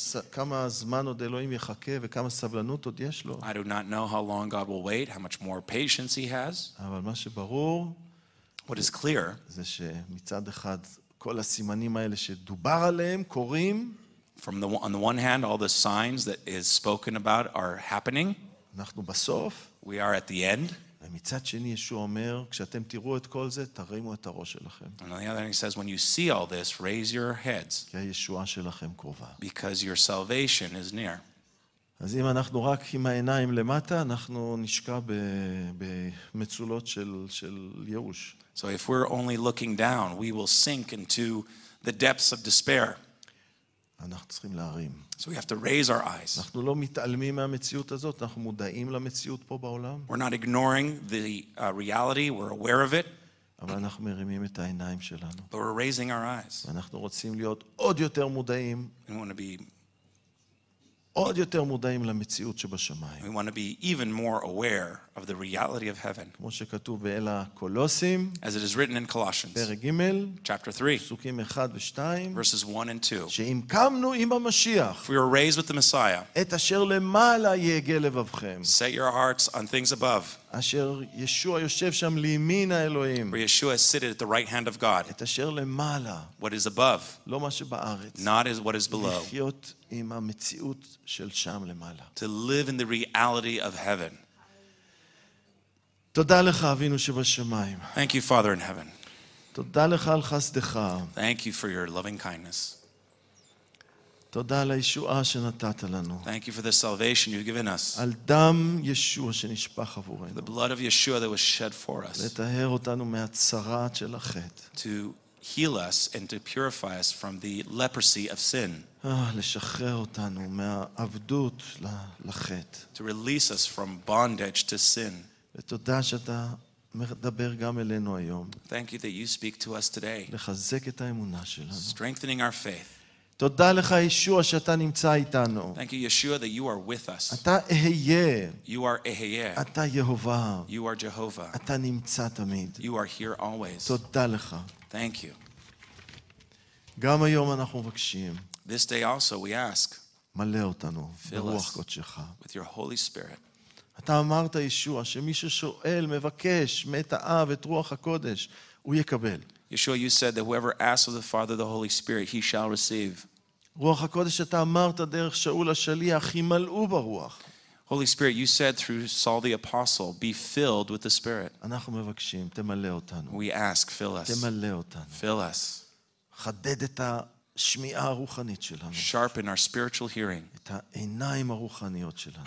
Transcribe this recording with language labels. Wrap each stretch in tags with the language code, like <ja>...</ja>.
<he>כמה זמן עוד אלוהים יחכה וכמה סבלנות עוד יש לו.</he> <en>I do not know how long God will wait, how much more patience he has.</en> <he>אבל מה שברור,</he> <en>what is clear,</en> <he>זה שמצד אחד כל הסימנים האלה שדובר עליהם קורים.</he> <en>From the on the one hand, all the signs that is spoken about are happening.</en> <he>אנחנו בסוף.</he> <en>We are at the end.</en> <he>ומצד שני ישוע אומר, כשאתם תראו את כל זה, תרימו את הראש שלכם.</he> <en>And on the other hand, he says, when you see all this, raise your heads.</en> <he>כי הישועה שלכם קרובה.</he> <en>Because your salvation is near.</en> <he>אז אם אנחנו רק עם העיניים למטה, אנחנו נשקע במצולות של ייאוש.</he> <en>So if we're only looking down, we will sink into the depths of despair.</en> <he>אנחנו צריכים להרים.</he> <en>So we have to raise our eyes.</en> <he>אנחנו לא מתעלמים מהמציאות הזאת, אנחנו מודעים למציאות פה בעולם.</he> <en>We're not ignoring the reality, we're aware of it.</en> <he>אבל אנחנו מרימים את העיניים שלנו.</he> <en>But we're raising our eyes.</en> <he>אנחנו רוצים להיות עוד יותר מודעים.</he> <en>We want to be</en> <he>עוד יותר מודעים למציאות שבשמיים.</he> <en>We want to be even more aware of the reality of heaven.</en> <he>כמו שכתוב באל הקולוסים.</he> <en>As it is written in Colossians.</en> <he>פרק ג'</he> <en>Chapter 3.</en> <he>פסוקים 1 ו-2.</he> <en>Verses 1 and 2.</en> <he>שאם קמנו עם המשיח.</he> <en>If we were raised with the Messiah.</en> <he>את אשר למעלה יהגה לבבכם.</he> <en>Set your hearts on things above.</en> <he>אשר ישוע יושב שם לימין האלוהים.</he> <en>Where Yeshua is seated at the right hand of God.</en> <he>את אשר למעלה.</he> <en>What is above.</en> <he>לא מה שבארץ.</he> <en>Not as what is below.</en> <he>לחיות עם המציאות של שם למעלה.</he> <en>To live in the reality of heaven.</en> <he>תודה לך אבינו שבשמיים.</he> <en>Thank you Father in heaven.</en> <he>תודה לך על חסדך.</he> <en>Thank you for your loving kindness.</en> <he>תודה על הישועה שנתת לנו.</he> <en>Thank you for the salvation you've given us.</en> <he>על דם ישוע שנשפך עבורנו.</he> <en>The blood of Yeshua that was shed for us.</en> <he>לטהר אותנו מהצרת של החטא.</he> <en>To heal us and to purify us from the leprosy of sin.</en> <he>לשחרר אותנו מהעבדות לחטא.</he> <en>To release us from bondage to sin.</en> <he>ותודה שאתה מדבר גם אלינו היום.</he> <en>Thank you that you speak to us today.</en> <he>לחזק את האמונה שלנו.</he> <en>Strengthening our faith.</en> <he>תודה לך ישוע שאתה נמצא איתנו.</he> <en>Thank you Yeshua that you are with us.</en> <he>אתה אהיה.</he> <en>You are אהיה.</en> <he>אתה יהוה.</he> <en>You are Jehovah.</en> <he>אתה נמצא תמיד.</he> <en>You are here always.</en> <he>תודה לך.</he> <en>Thank you.</en> <he>גם היום אנחנו מבקשים.</he> <en>This day also we ask.</en> <he>מלא אותנו ברוח קודשך.</he> <en>With your Holy Spirit.</en> <he>אתה אמרת ישוע שמי ששואל מבקש מאת האב את רוח הקודש הוא יקבל.</he> <en>Yeshua, you said that whoever asks of the Father the Holy Spirit, he shall receive.</en> <he>רוח הקודש אתה אמרת דרך שאול השליח ימלאו ברוח.</he> <en>Holy Spirit, you said through Saul the apostle, be filled with the Spirit.</en> <he>אנחנו מבקשים תמלא אותנו.</he> <en>We ask, fill us.</en> <he>תמלא אותנו.</he> <en>Fill us.</en> <he>חדד את השמיעה הרוחנית שלנו.</he> <en>Sharpen our spiritual hearing.</en> <he>את העיניים הרוחניות שלנו.</he>